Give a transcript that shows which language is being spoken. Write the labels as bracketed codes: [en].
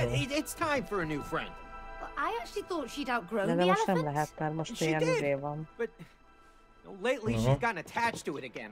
[en] It's time for a new friend. I actually thought she'd outgrown the elephant. [hu] Nem lehet, mert most ilyen izé van. [en] Lately she's gotten attached to it again.